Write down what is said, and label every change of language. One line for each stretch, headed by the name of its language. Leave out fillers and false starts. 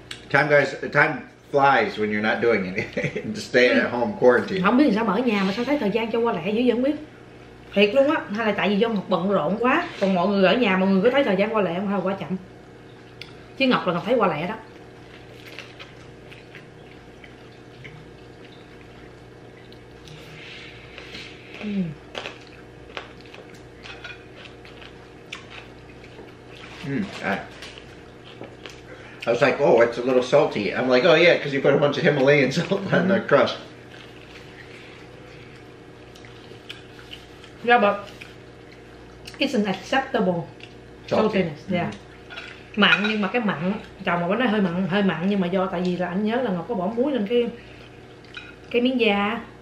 English: Time goes, time flies when you're not doing anything. Just staying at home quarantine.
Vietnamese: Không biết sao mở nhà mà sao thấy thời gian cho qua lẹ dữ vậy, không biết. Thiệt luôn á, hay là tại vì do Ngọc bận rộn quá. Còn mọi người ở nhà, mọi người có thấy thời gian qua lẹ không, hay là quá chậm? Chứ Ngọc là Ngọc thấy qua lẹ đó.
English: I was like, oh, it's a little salty. I'm like, oh yeah, because you put a bunch of Himalayan salt on the crust. Yeah, but it's an acceptable saltiness. Yeah.
Vietnamese: Mặn, nhưng mà cái mặn, chào mà nó hơi mặn nhưng mà do tại vì là anh nhớ là Ngọc có bỏ muối lên cái miếng da.